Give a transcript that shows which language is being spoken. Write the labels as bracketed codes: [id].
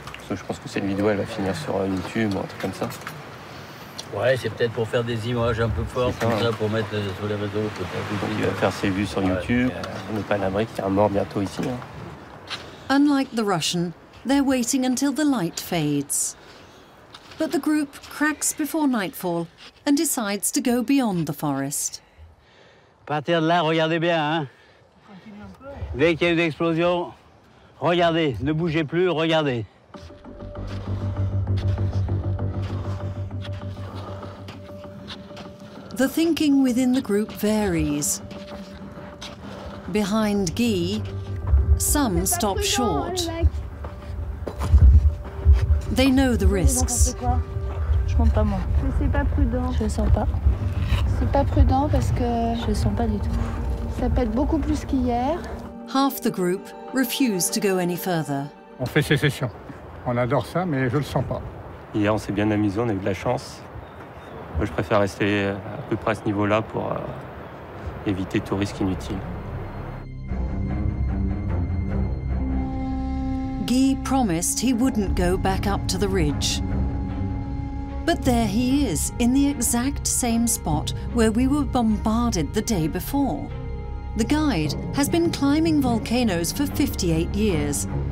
[fr] Je pense que cette vidéo elle va finir sur YouTube ou un truc comme ça. Ouais, c'est peut-être pour faire des images un peu fortes, ça, comme ça, pour mettre sur les réseaux. Il va faire ses vues sur YouTube. On n'est pas à l'abri qu'il y a un mort bientôt ici. Hein. [en] Unlike the Russian, they're waiting until the light fades. But the group cracks before nightfall and decides to go beyond the forest. [fr] À partir de là, regardez bien. Hein. Dès qu'il y a une explosion, Regardez, ne bougez plus, regardez. [en] The thinking within the group varies. Behind Guy, some stop short. They know the risks. [fr] Je monte pas moi. Mais c'est pas prudent. Je le sens pas. C'est pas prudent parce que. Je le sens pas du tout. Ça pète beaucoup plus qu'hier. [en] Half the group refuse to go any further. [fr] On fait sécession. On adore ça, mais je le sens pas. Hier, on s'est bien amusé, on a eu de la chance. Moi, je préfère rester à peu près à ce niveau-là pour éviter tout risque inutile. [en] Guy promised he wouldn't go back up to the ridge. But there he is, in the exact same spot where we were bombarded the day before. The guide has been climbing volcanoes for 58 years.